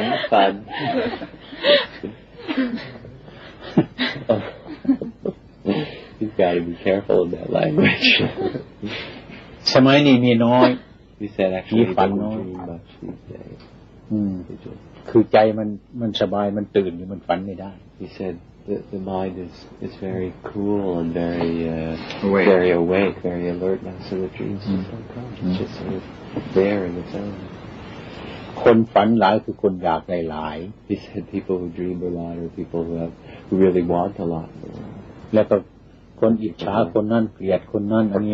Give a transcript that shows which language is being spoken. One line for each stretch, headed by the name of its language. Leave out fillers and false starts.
English: Fun. You've got to be careful in that language.
Thai: สมัยนี้มีน้อย
English: He said actually don't dream much these days.
Thai: คือใจมันสบายมันตื่นอยู่มันฝันไม่ได้
English: He said the mind is very cool and very awake, very alert now, so the dreams just don't come. It's just sort of there in its own.
Thai: คนฝันหลายคือคนอยากหลาย
English: He said people who dream a lot are people who really want a lot.
Thai: แล้วก็คนอิจฉาคนนั้นเกลียดคนนั้นอันนี